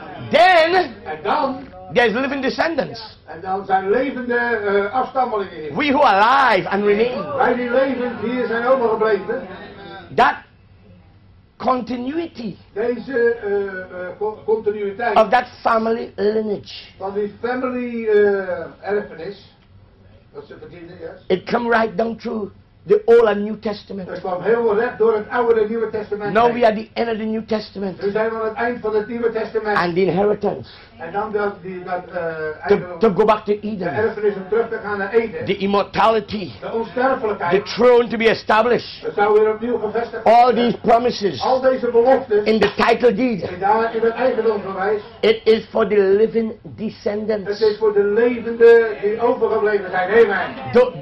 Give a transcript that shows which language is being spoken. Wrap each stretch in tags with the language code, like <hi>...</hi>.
<en>Then, there is living descendants.</en> <nl>En dan zijn levende afstammelingen hier.</nl> <en>We who are alive and remain.</en> <nl>Wij die levend hier zijn overgebleven.</nl> <en>That continuity.</en> <nl>Deze continuïteit.</nl> <en>Of that family lineage.</en> <nl>Van die family erfenis. Dat ze verdienen,</nl> <en>yes. It come right down through the Old and New Testament.</en> <nl>Het kwam heel recht door het Oude en Nieuwe Testament.</nl> <en>Now we are the end of the New Testament.</en> <nl>We zijn aan het eind van het Nieuwe Testament.</nl> <en>And the inheritance.</en> <nl>En dan dat</nl> <en>to go back to Eden.</en> <nl>De erfenis om terug te gaan naar Eden.</nl> <en>The immortality.</en> <nl>De onsterfelijkheid.</nl> <en>The throne to be established.</en> <nl>Dat zou weer opnieuw gevestigd worden.</nl> <en>All these promises.</en> <nl>Al deze beloftes.</nl> <en>In the title deed.</en> <nl>In het eigendomsbewijs.</nl> <en>It is for the living descendants.</en> <nl>Het is voor de levende die overgebleven zijn. Amen.</nl>